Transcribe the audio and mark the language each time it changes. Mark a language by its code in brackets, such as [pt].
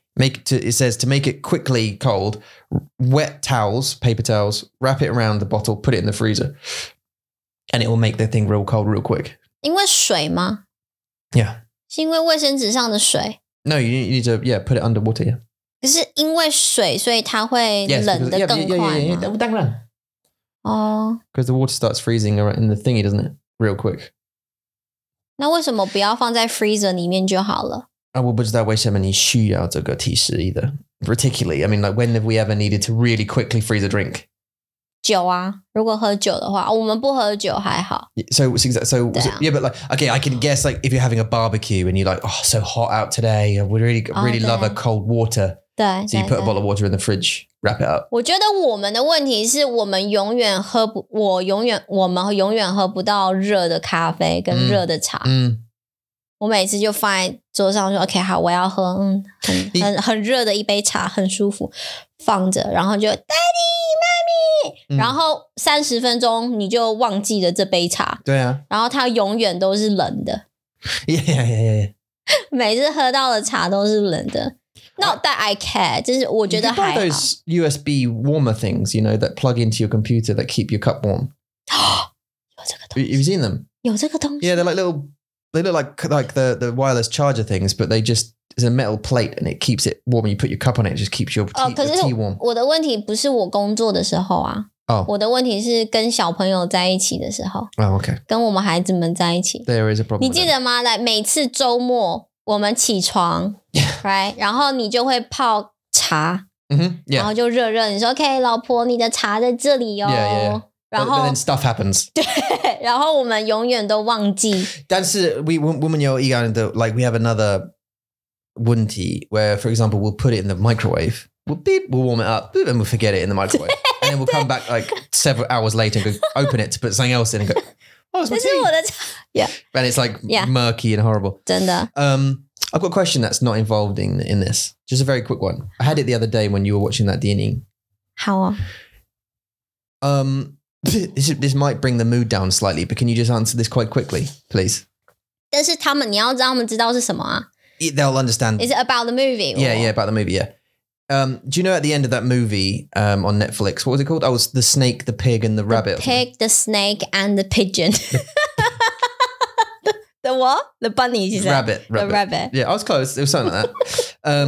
[en] It says to make it quickly cold, wet towels, paper towels, wrap it around the bottle, put it in the freezer, and it will make the thing real cold real quick. [zh] 因为水吗？ [en] Yeah. [zh] 是因为卫生纸上的水？ [en] No, you need to, yeah, put it under water, yeah. [zh] 可是因为水，所以它会冷得更快吗？ [en] Yeah, [zh] 当然。哦。 [en] Because the water starts freezing in the thingy, doesn't it? Real quick. [zh] 那为什么不要放在 freezer 里面就好了？我不知道为什么你需要这个提示 [en] either. Particularly, I mean, like, when have we ever needed to really quickly freeze a drink? [zh] 酒啊，如果喝酒的话，我们不喝酒还好。 [en] So, yeah, but like, okay, I can guess, like, if you're having a barbecue and you're like, oh, so hot out today, I would really, really love a cold water. [zh] 对。 [en] So you put a bottle of water in the fridge, wrap it up. [zh] 我觉得我们的问题是我们永远喝不，我们永远喝不到热的咖啡跟热的茶。嗯。我每次就放在桌上说 OK 好我要喝很热的一杯茶很舒服放着然后就 Daddy, Mommy 然后30分钟你就忘记了这杯茶对啊然后它永远都是冷的 [en] Yeah, yeah, yeah, yeah. [zh] 每次喝到的茶都是冷的 [en] Not that I care [zh] 就是我觉得还好 [en] You buy those USB warmer things you know that plug into your computer that keep your cup warm [zh] 有这个东西 [en] Have you seen them? [zh] 有这个东西 [en] Yeah, they're like little. They look like the wireless charger things, but they just, it's a metal plate and it keeps it warm. You put your cup on it, it just keeps your tea warm. [zh] 我的问题不是我工作的时候啊。 [en] Oh. [zh] 我的问题是跟小朋友在一起的时候。 [en] Oh, okay. [zh] 跟我们孩子们在一起。 [en] There is a problem. [zh] 你记得吗？来，每次周末我们起床 ,right? 然后你就会泡茶。 [en] Mm-hmm. Yeah. [zh] 然后就热热。你说 ,OK, 老婆你的茶在这里哦。 [en] Yeah, yeah, yeah. [zh] 然后 [en] But then stuff happens. [zh] 对，然后我们永远都忘记。但是 我们有一个 [en] like we have another 问题 where for example we'll put it in the microwave, we'll beep, we'll warm it up, boop, and we'll forget it in the microwave, and then we'll come back like several hours later and go open it to put something else in and go, oh, it's my tea. Yeah. And it's like murky and horrible. [zh] 真的。 [en] I've got a question that's not involved in this. Just a very quick one. I had it the other day when you were watching that D&E. How? This might bring the mood down slightly, but can you just answer this quite quickly, please? [zh] 但是他们，你要知道他们知道是什么啊? [en] They'll understand. Is it about the movie? Yeah, yeah, about the movie, yeah. Do you know at the end of that movie on Netflix, what was it called? Oh, it was The Snake, The Pig, and The Rabbit. The Pig, The Snake, and The Pigeon. The what? The bunny, you said. Rabbit. The rabbit. Yeah, I was close. It was something like that.